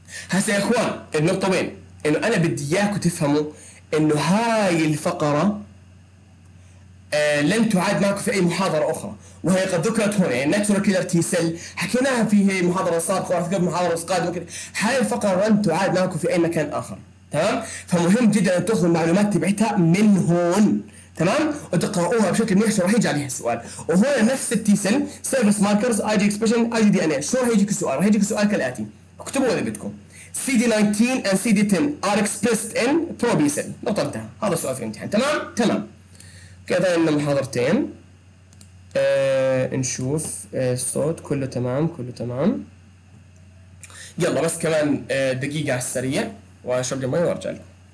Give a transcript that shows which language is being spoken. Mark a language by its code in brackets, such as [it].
[ar] هسه يا اخوان النقطه وين؟ انه انا بدي اياكم تفهموا انه هاي الفقره لن تعاد معكم في اي محاضره اخرى، وهي قد ذكرت هنا ناتشورال كيلر تي سيل حكيناها في محاضره سابقه وفي محاضره قادمه، ممكن هاي الفقره لن تعاد معكم في اي مكان اخر، تمام؟ فمهم جدا ان تاخذوا المعلومات تبعتها من هون، تمام؟ وتقرؤوها بشكل منيح عشان راح يجي عليها السؤال. وهنا نفس التي سيل سيرفيس ماركرز اي جي اكسبريشن اي جي دي ان اي، شو راح يجيك السؤال؟ راح يجيك السؤال كالاتي، اكتبوا اذا بدكم. [en] CD19 and CD10 are expressed in pro B cell. [ar] نقطة انتهى، هذا السؤال في الامتحان، تمام؟ تمام. كذا عندنا محاضرتين. نشوف الصوت كله تمام، كله تمام. يلا بس كمان دقيقة على السريع واشرب لي مي وارجع لكم.